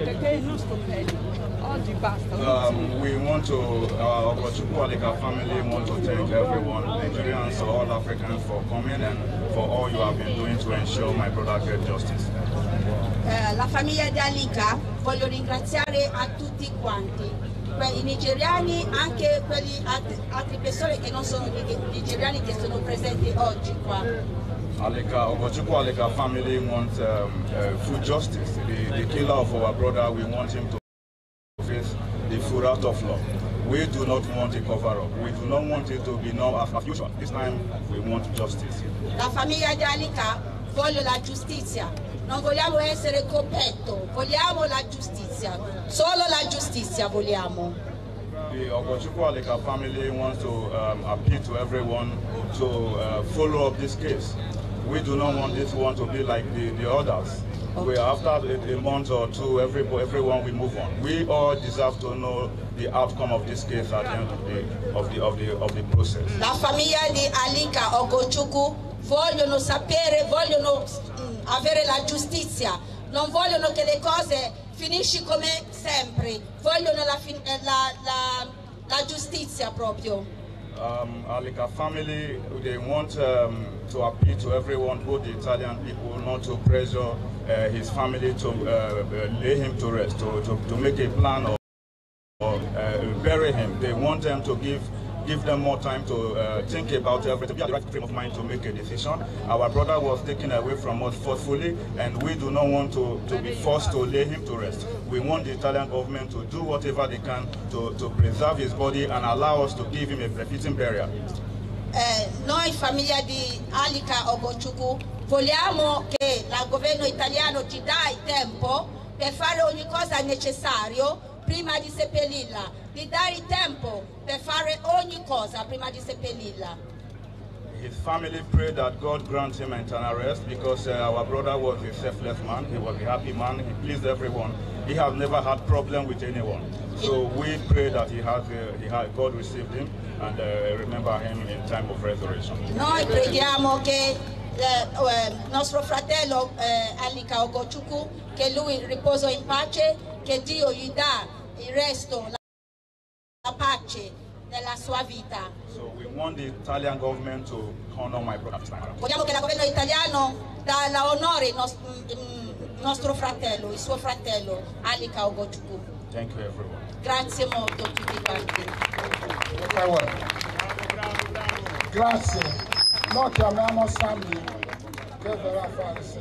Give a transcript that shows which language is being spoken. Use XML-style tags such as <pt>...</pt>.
<en>We want to, our Chukwualika family want to thank everyone, Nigerians, all Africans for coming and for all you have been doing to ensure my brother gets justice.</en> <it>La famiglia di Alika voglio ringraziare a tutti quanti, i nigeriani, anche quelli altre persone che non sono nigeriani che sono presenti oggi qua.</it> <en>Alika, Ogochukwu Alika family wants full justice. The killer of our brother, we want him to face the full out of law. We do not want a cover-up. We do not want it to be known as a fusion. This time, we want justice.</en> <it>La famiglia di Alika voglio la giustizia. Non vogliamo essere coperto, vogliamo la giustizia. Solo la giustizia vogliamo.</it> <en>The Ogochukwu Alika family wants to appeal to everyone to follow up this case. We do not want this one to be like the others. Okay. We after a month or two, everyone will move on. We all deserve to know the outcome of this case at the end of the process.</en> <it>La famiglia di Alika Ogochukwu vogliono sapere, vogliono avere la giustizia. Non vogliono che le cose finisci come sempre. Vogliono la giustizia proprio.</it> <en>Alika family, they want to appeal to everyone, both the Italian people, not to pressure his family to lay him to rest, to make a plan or bury him. They want them to give them more time to think about everything, to be at the right frame of mind to make a decision. Our brother was taken away from us forcefully, and we do not want to be forced to lay him to rest. We want the Italian government to do whatever they can to preserve his body and allow us to give him a befitting burial.</en> <it>Noi famiglia di Alika Ogochukwu vogliamo che il governo italiano ci dia il tempo per fare ogni cosa necessario prima di seppellirla. Di dare il tempo per fare ogni cosa prima di seppellirla.</it> <en>His family prayed that God grant him an arrest because our brother was a selfless man, he was a happy man, he pleased everyone. He has never had problem with anyone. So we pray that God received him and remember him in time of resurrection.</en> <it>Noi preghiamo che nostro fratello Alika Ogochukwu, che lui riposo in pace, che Dio gli dà il resto, la pace nella sua vita.</it> <en>So we want the Italian government to honor my brother.</en> <it>Vogliamo che il governo italiano dà l'onore al nostro fratello, il suo fratello Alika Ogochukwu.</it> <en>Thank you everyone.</en> <it>Grazie molto a tutti quanti. Grazie. Noi chiamiamo Sammy. Che verrà a fare?</it>